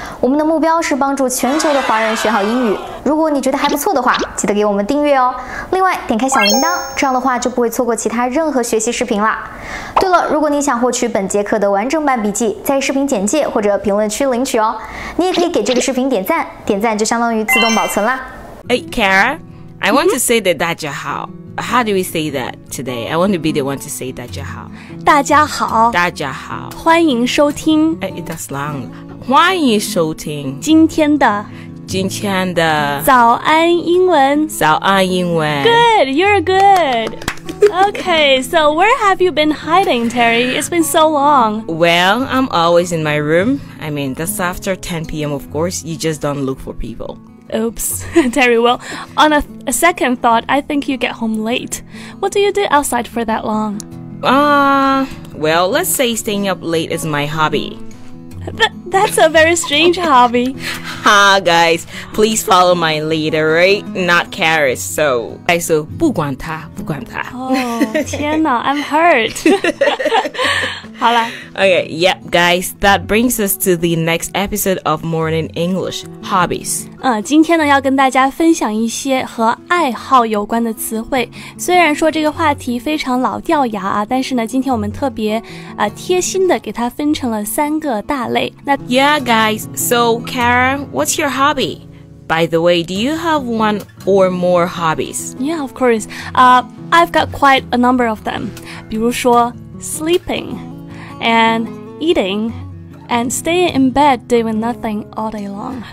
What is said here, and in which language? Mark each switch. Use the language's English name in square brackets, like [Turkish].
[Chinese] 我们的目标是帮助全球的华人学好英语。如果你觉得还不错的话，记得给我们订阅哦。另外，点开小铃铛，这样的话就不会错过其他任何学习视频啦。对了，如果你想获取本节课的完整版笔记，在视频简介或者评论区领取哦。你也可以给这个视频点赞，点赞就相当于自动保存啦。 [English] Hey, Kara, I want to say that [Chinese] 大家好。 [English] How do we say that today? I want to be the one to say [Chinese] 大家好。大家好。大家好。欢迎收听。 [English] That's long. [Chinese] 欢迎收听。今天的早安英文。早安英文。 [English] Good, you're good. Okay, so where have you been hiding, Terry? It's been so long. Well, I'm always in my room. I mean, that's after 10 p.m. of course. You just don't look for people. Oops, Terry. Well, on a second thought, I think you get home late. What do you do outside for that long? Well, let's say staying up late is my hobby. That's a very strange hobby. Ha, guys, please follow my lead, right? Not Karis, so... Guys, so, [Chinese] 不管他。 [English] Oh, [Chinese] 天哪, [English] I'm hurt. [Chinese] 好啦。 [English] Okay, yep, guys, that brings us to the next episode of Morning English, Hobbies. [Chinese] 今天呢要跟大家分享一些和爱好有关的词汇。虽然说这个话题非常老掉牙啊，但是呢今天我们特别贴心的给它分成了三个大类。 [English] Yeah, guys, so Karen, what's your hobby? By the way, do you have one or more hobbies? Yeah, of course. I've got quite a number of them. [Chinese] 比如说 [English] sleeping, and eating, and staying in bed doing nothing all day long.